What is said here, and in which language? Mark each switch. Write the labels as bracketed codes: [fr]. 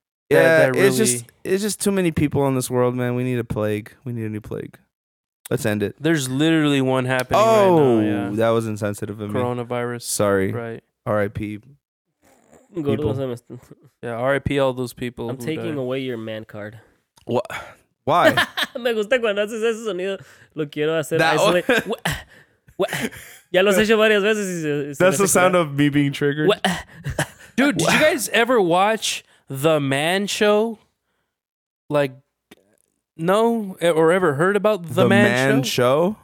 [en] Yeah, it's just too many people in this world, man. We need a plague. We need a new plague. Let's end it. There's literally one happening right now. Oh, yeah. That was insensitive of me. Coronavirus. Sorry. Right. RIP. Go to those MSN. Yeah, RIP all those people. I'm taking away your man card. What? Why? [es] Me gusta cuando haces ese sonido. Lo quiero hacer. Ya lo has hecho varias veces. [en] That's the sound of me being triggered. Dude, did you guys ever watch The Man Show? Like, no? Or ever heard about The Man Show?